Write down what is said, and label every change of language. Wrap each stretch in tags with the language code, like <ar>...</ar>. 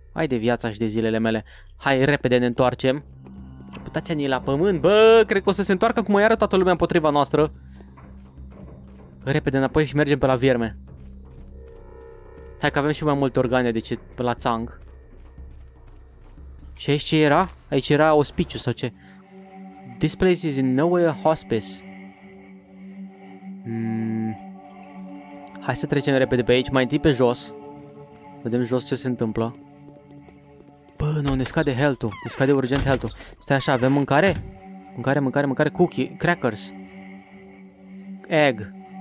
<ro>Hai de viața și de zilele mele. Hai, repede ne întoarcem. Reputația ne-i la pământ. Bă, cred că o să se întoarcă cum iară toată lumea împotriva noastră. Repede înapoi și mergem pe la vierme. Hai că avem și mai multe organe, deci la țang. Și aici ce era? Aici era ospiciu sau ce?</ro> <en>This place is in no way a hospice.</en> <ro>Hai să trecem repede pe aici, mai întâi pe jos. Vedem jos ce se întâmplă. Bă, nu, ne scade health-ul. Ne scade urgent health-ul. Stai așa, avem mâncare?</ro> <en>Mâncare, cookie, crackers. Egg.</en>